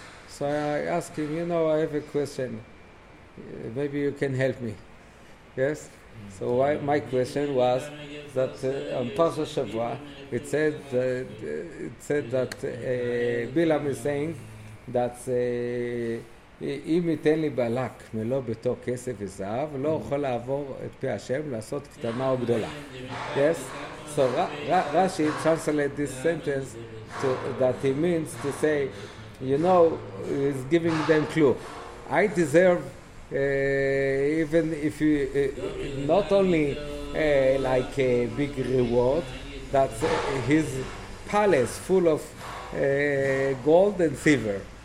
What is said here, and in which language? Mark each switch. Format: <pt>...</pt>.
<en>So I asked him, you know, I have a question. Maybe you can help me. Yes? So my question was that on Parsha Shavua, it said that Bilam is saying that.</en> <he>אם ייתן לי בלק מלא בתו כסף וזהב, לא יכול לעבור את פי השם לעשות קטנה או גדולה.</he> <en>Yes? So Rashi translated this sentence to, that he means to say, you know, he's giving them clue. I deserve even if you not only like a big reward, that's his palace full of gold and silver.</en>